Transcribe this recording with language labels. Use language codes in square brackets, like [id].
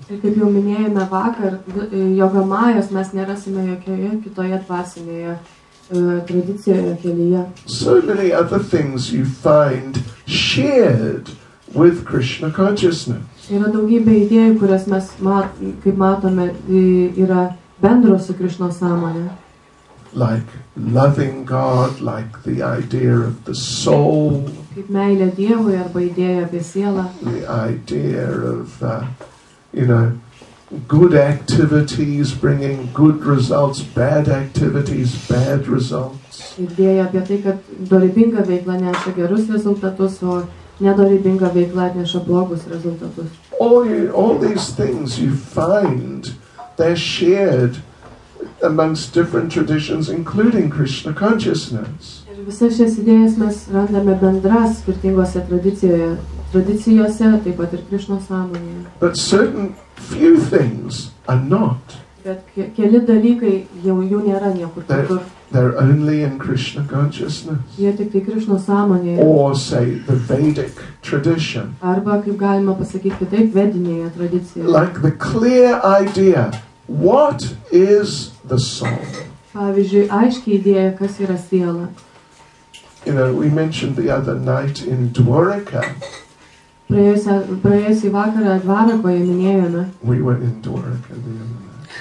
[lt] Ir kaip jau minėjome vakar, Yoga Mayos mes nerasime jokioje kitoje dvasinėje tradicijoje kelyje. [en] So many other things you find shared with Krishna consciousness. [lt] Yra daugybė idėjų, kurias mes kaip matome, yra bendro su Krishna sąmonė. [en] Like loving God, like the idea of the soul. [lt] Kaip meilė Dievui arba idėja apie sielą. [en] The idea of, good activities bringing good results, bad activities, bad results. [lt] Idėja apie tai, kad dorybinga veikla neša gerus rezultatus, o nedorybinga veikla neša blogus rezultatus. [en] All these things you find, they're shared amongst different traditions, including Krishna consciousness. [lt] Ir visas šias idėjas mes randame bendras skirtingose tradicijose, taip pat ir Krishna sąmonėje. [en] But certain few things are not. [lt] Bet keli dalykai jau nėra niekur kitur. [en] They're only in Krishna consciousness. [lt] Jie tik Krishna sąmonėje. [en] Or say the Vedic tradition. [lt] Arba kaip galima pasakyti kitaip, vedinėje tradicijoje. [en] Like the clear idea, what is the soul? [lt] Pavyzdžiui, aiški idėja, kas yra siela. [en] We mentioned the other night in Dvaraka. [lt] Praėjusį vakarą Dvarakoje minėjome. [en] We went in Dvaraka the other night.